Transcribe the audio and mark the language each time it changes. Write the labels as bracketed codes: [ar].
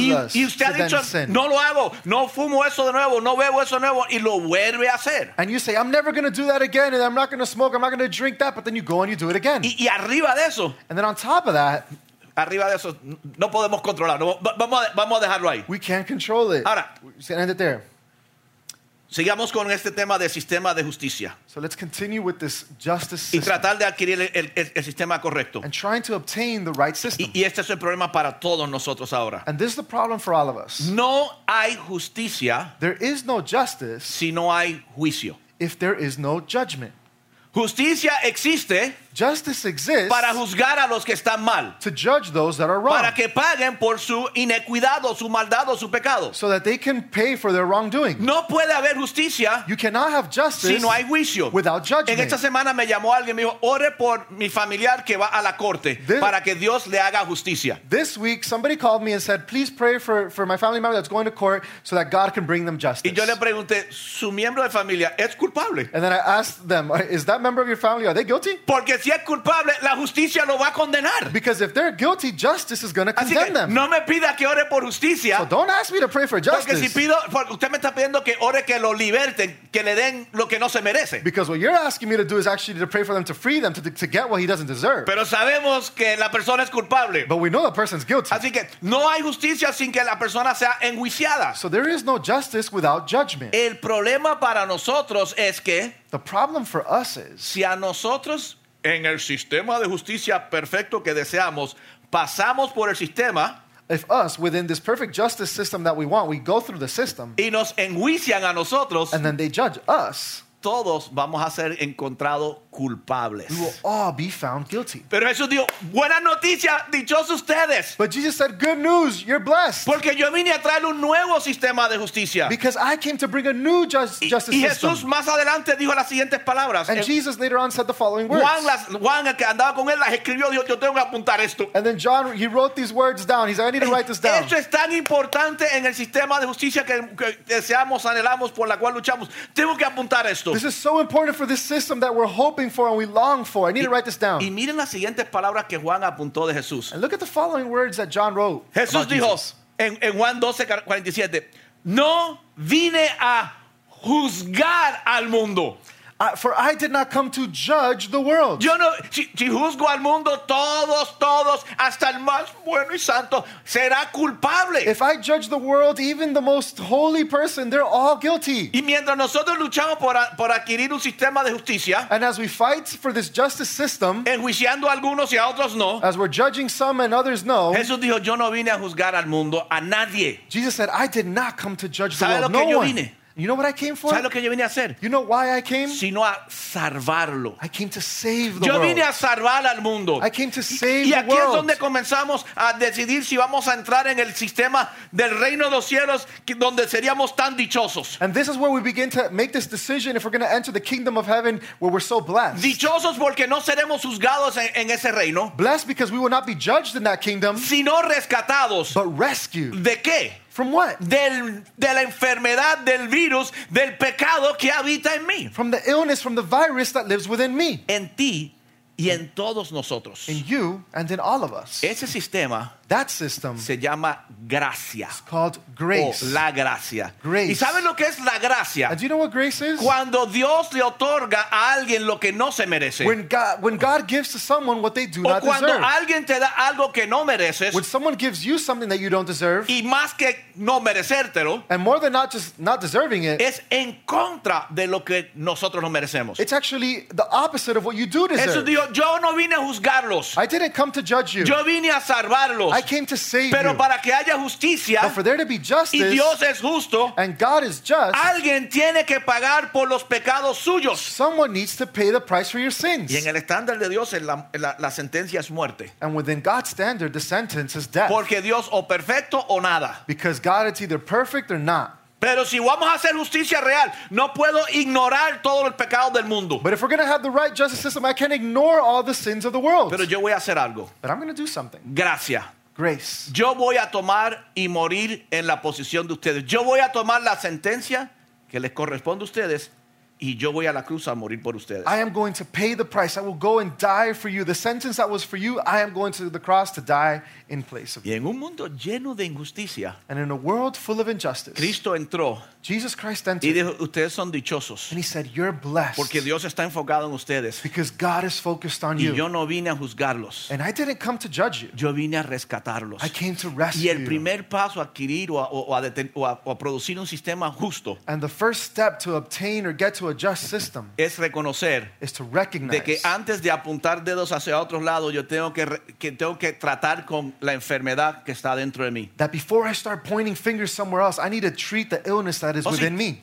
[es] y, [en] us [es] y usted [en] to [es] ha dicho, [en] then sin. [es] No lo hago, no fumo eso de nuevo, no bebo eso de nuevo y lo vuelve a hacer. [en] And you say, I'm never going to do that again and I'm not going to smoke, I'm not going to drink that, but then you go and you do it again. [es] Y arriba de eso. [en] And then on top of that. [es] Arriba de eso, no podemos controlar. No, vamos a dejarlo ahí. [en] We can't control it. [es] Ahora. [en] We can end it there. [es] Sigamos con este tema de sistema de justicia. [en] So let's continue with this justice system. [es] Y tratar de adquirir el sistema correcto. [en] And trying to obtain the right system. [es] Y este es el problema para todos nosotros ahora. [en] And this is the problem for all of us. [es] No hay justicia. [en] There is no justice. [es] Si no hay juicio. [en] If there is no judgment. [es] Justicia existe. [en] Justice exists [es] para juzgar a los que están mal, [en] to judge those that are wrong. [es] Para que paguen por su inequidad o su maldad o su pecado. [en] So that they can pay for their wrongdoing. [es] No puede haber justicia. [en] You cannot have justice [es] si no hay juicio. [en] Without judgment. [es] En esta semana me llamó alguien y me dijo, ore por mi familiar que va a la corte para que Dios le haga justicia. [en] This week, somebody called me and said, please pray for my family member that's going to court so that God can bring them justice. [es] Y yo le pregunté, ¿su miembro de familia es culpable? [en] And then I asked them, is that member of your family, are they guilty? [es] Porque si es culpable, la justicia lo va a condenar. [en] Because if they're guilty, justice is going to condemn [es] así que, [en] them. [es] No me pida que ore por justicia. [en] So don't ask me to pray for justice. [es] Porque si pido, usted me está pidiendo que ore que lo liberten, que le den lo que no se merece. [en] Because what you're asking me to do is actually to pray for them to free them, to get what he doesn't deserve. [es] Pero sabemos que la persona es culpable. [en] But we know the person's guilty. [es] Así que no hay justicia sin que la persona sea enjuiciada. [en] So there is no justice without judgment. [es] El problema para nosotros es que [en] the problem for us is [es] si a nosotros en el sistema de justicia perfecto que deseamos pasamos por el sistema, [en] if us within this perfect justice system that we want, we go through the system [es] y nos enjuician a nosotros, [en] and then they judge us, [es] todos vamos a ser encontrados culpables. [en] We will all be found guilty. [es] Pero Jesús dijo, buena noticia, dichosos ustedes. [en] But Jesus said, good news, you're blessed. [es] Porque yo vine a traer un nuevo sistema de justicia. [en] Because I came to bring a new justice system. [es] Y Jesús [en] system. [es] Más adelante dijo las siguientes palabras. [en] And Jesus later on said the following words. [es] Juan, el que andaba con él, las escribió, dijo, yo tengo que apuntar esto. [en] And then John, he wrote these words down. He said, I need to write this down. [es] Esto es tan importante en el sistema de justicia que deseamos, anhelamos, por la cual luchamos. Tengo que apuntar esto. [en] This is so important for this system that we're hoping for and we long for. I need to write this down. [es] Y miren las siguientes palabras que Juan apuntó de Jesús. [en] And look at the following words that John wrote. [es] Jesús dijo en Juan 12:47, no vine a juzgar al mundo. [en] For I did not come to judge the world. [es] Yo no, si juzgo al mundo, todos, hasta el más bueno y santo, será culpable. [en] If I judge the world, even the most holy person, they're all guilty. [es] Y mientras nosotros luchamos por adquirir un sistema de justicia, [en] and as we fight for this justice system, [es] enjuiciando a algunos y a otros no, [en] as we're judging some and others no, [es] Jesús dijo, yo no vine a juzgar al mundo, a nadie. [en] Jesus said, I did not come to judge the world, no [es] yo vine? [en] One. You know what I came for? [es] ¿Sabes lo que yo vine a hacer? [en] You know why I came? [es] Sino a salvarlo. [en] I came to save the [es] yo vine [en] world. [es] A salvar al mundo. [en] I came to save [es] y [en] the world. [es] Y aquí es donde comenzamos a decidir si vamos a entrar en el sistema del reino de los cielos donde seríamos tan dichosos. [en] And this is where we begin to make this decision if we're going to enter the kingdom of heaven where we're so blessed. [es] Dichosos porque no seremos juzgados en ese reino. [en] Blessed because we will not be judged in that kingdom. [es] Sino rescatados. [en] But rescued. [es] ¿De qué? [en] From what? [es] De la enfermedad, del virus, del pecado que habita en mí. [en] From the illness, from the virus that lives within me. [es] En ti y en todos nosotros. [en] In you and in all of us. [es] Ese sistema, [en] that system, [es] se llama gracia. [en] It's called grace. [es] O la gracia. [en] Grace. [es] ¿Y sabes lo que es la gracia? [en] And do you know what grace is? [es] Cuando Dios le otorga a alguien lo que no se merece. [en] When God gives to someone what they do not deserve. [es] O cuando alguien te da algo que no mereces. [en] When someone gives you something that you don't deserve. [es] Y más que no merecértelo. [en] And more than not just not deserving it. [es] Es en contra de lo que nosotros no merecemos. [en] It's actually the opposite of what you do deserve. [es] Jesús dijo, yo no vine a juzgarlos. [en] I didn't come to judge you. [es] Yo vine a salvarlos. [en] I came to save [es] pero [en] you. [es] Para que haya justicia, [en] but for there to be justice, [es] y Dios es justo, [en] and God is just, [es] alguien tiene que pagar por los pecados suyos. [en] Someone needs to pay the price for your sins. [es] Y en el estándar de Dios, la sentencia es muerte. [en] And within God's standard, the sentence is death. [es] Porque Dios o perfecto o nada. [en] Because God is either perfect or not. [es] Pero si vamos a hacer justicia real, no puedo ignorar todo el pecado del mundo. [en] But if we're going to have the right justice system, I can't ignore all the sins of the world. [es] Pero yo voy a hacer algo. [en] But I'm going to do something. [es] Gracias. [en] Grace. [es] Yo voy a tomar y morir en la posición de ustedes. Yo voy a tomar la sentencia que les corresponde a ustedes y yo voy a la cruz a morir por ustedes. [en] I am going to pay the price. I will go and die for you. The sentence that was for you, I am going to the cross to die in place of you. [es] Y en un mundo lleno de injusticia, [en] and in a world full of injustice, [es] Cristo entró. [en] Jesus Christ entered. [es] Y dijo, ustedes son dichosos. [en] And he said, you're blessed. [es] Porque Dios está enfocado en ustedes. [en] Because God is focused on [es] y [en] you. [es] Y yo no vine a juzgarlos. [en] And I didn't come to judge you. [es] Yo vine a rescatarlos. [en] I came to rescue you. [es] Y el primer paso a adquirir o a producir un sistema justo. [en] And the first step to obtain or get to a just system [es] es reconocer [en] is to recognize [es] de que antes de apuntar dedos hacia otros lados yo tengo que tratar con la enfermedad que está dentro de mí. [en] That before I start pointing fingers somewhere else, I need to treat the illness that is within me.